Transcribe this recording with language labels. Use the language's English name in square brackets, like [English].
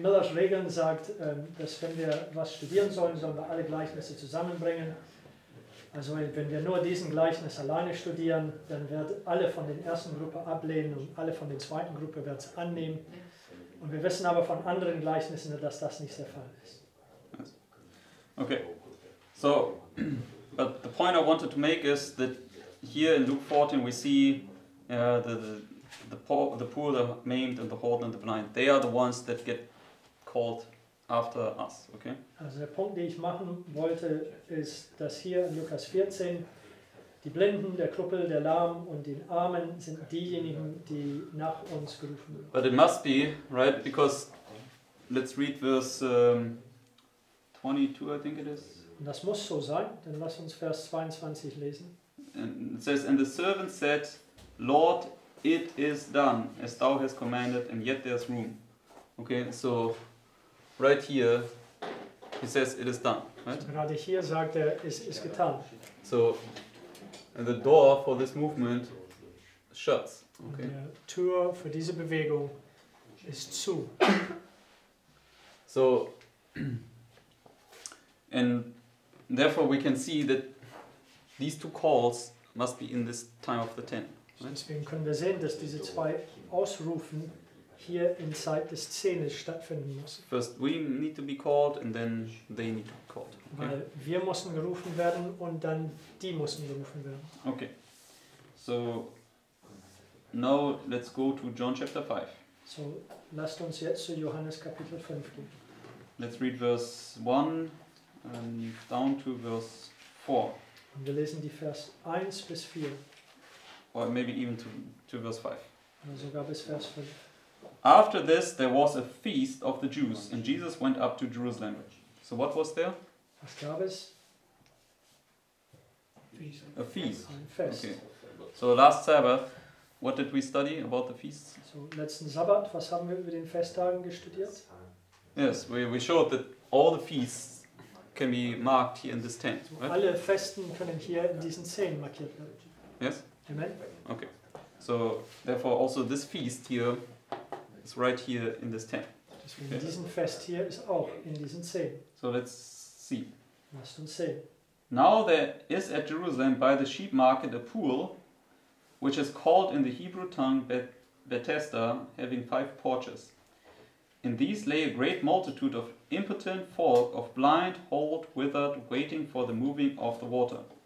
[German] Miller's Regeln sagt, dass wenn wir was studieren sollen, sollen wir alle Gleichnisse zusammenbringen. Also wenn wir nur diesen Gleichnis alleine studieren, dann wird alle von der ersten Gruppe ablehnen und alle von der zweiten Gruppe wird es annehmen. Und wir wissen aber von anderen Gleichnissen, dass das nicht der Fall ist. [English] Yes. Okay, so, but the point I wanted to make is that here in Luke 14 we see the poor, the maimed and the halt and the blind. They are the ones that get called after us, okay? [German] Also der Punkt, den ich machen wollte, ist, dass hier in Lukas 14 die Blinden, der Krüppel, der Lahm und den Armen sind diejenigen, die nach uns gerufen werden. [English] But it must be, right? Because let's read verse 22, I think it is. [German] Und das muss so sein, dann lass uns Vers 22 lesen. [English] And it says, and the servant said, Lord, it is done, as thou hast commanded, and yet there's room. Okay, so right here, he says, it is done, right? [German] Gerade hier sagt er, es ist getan. [English] So, and the door for this movement shuts, okay? [German] Und die Tür für diese Bewegung ist zu. [English] So, and therefore we can see that these two calls must be in this time of the ten. Right? [German] Deswegen können wir sehen, dass diese zwei Ausrufen hier in Zeit des Zehnes stattfinden muss. [English] First we need to be called and then they need to be called. Okay. [German] Weil wir mussten gerufen werden und dann die mussten gerufen werden. [English] Okay. So now let's go to John chapter 5. [German] So lasst uns jetzt zu Johannes Kapitel 5 gehen. [English] Let's read verse 1 and down to verse 4. [German] Und wir lesen die Vers 1 bis 4. [English] Or maybe even to verse 5. [German] Oder sogar bis Vers 5. [English] After this, there was a feast of the Jews, and Jesus went up to Jerusalem. So what was there? [German] Was gab es? [English] Feast. A feast. [German] Ein Fest. [English] Okay. So last Sabbath, what did we study about the feasts? [German] So letzten Sabbat, was haben wir über den Festtagen gestudiert? [English] Yes, we showed that all the feasts can be marked here in this tent. [German] So alle Festen können hier in diesen Zehen markiert werden. [English] Yes? Amen. Okay. So therefore also this feast here, it's right here in this tent. [German] Deswegen diesen Fest hier ist auch in diesen Zehen. [English] So let's see. [German] Lasst uns sehen. [English] Now there is at Jerusalem by the sheep market a pool, which is called in the Hebrew tongue Bethesda, having five porches. In these lay a great multitude of impotent folk, of blind, halt, withered, waiting for the moving of the water.